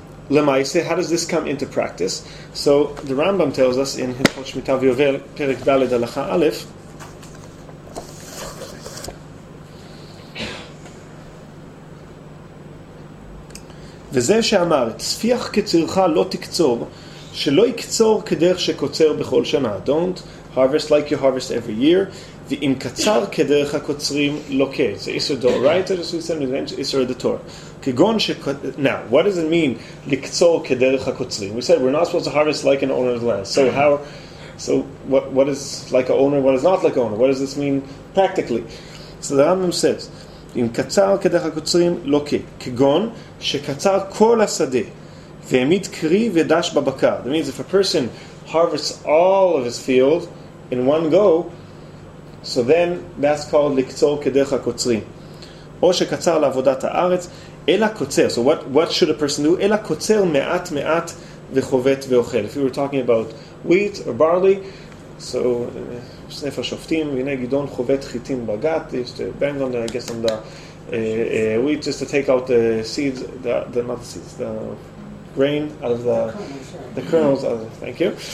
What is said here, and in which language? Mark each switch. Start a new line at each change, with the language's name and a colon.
English: Lemaise, how does this come into practice? So the Rambam tells us in Hilchot Shmita V'Yovel, Perek Daled Halacha Aleph,
Hebrew: וזה שאמר, תספיח כצירך לא תקצור, שלא יקצור כדרך שקוצר בכל שנה.
English: Don't harvest like you harvest every year.
Hebrew: ואם קצר כדרך הקוצרים, לוקה. זה איסר דור, right? זה איסר דור, right? זה איסר דור. כגון ש...
English: Now, what does it mean,
Hebrew: לקצור כדרך הקוצרים?
English: We said, we're not supposed to harvest like an owner of the land. So what is like an owner, what is not like an owner? What does this mean practically? So the Rambam says,
Hebrew: אם קצר כדרך הקוצרים, לוקה. כגון שקצר כל השדה, והעמיד קרי ודש בבקר.
English: That means if a person harvests all of his field in one go, so then that's called
Hebrew: לקצור כדרך הקוצרים. או שקצר לעבודת הארץ, אלא קוצר.
English: So what should a person do?
Hebrew: אלא קוצר מעט מעט וחובט ואוכל.
English: If we were talking about wheat or barley, so
Hebrew: ספר שופטים, הנה גדעון חובט חיטים בגת,
English: they used to bang on the, I guess, on the wheat just to take out the seeds, the not the seeds, the grain out of the kernels. Thank you.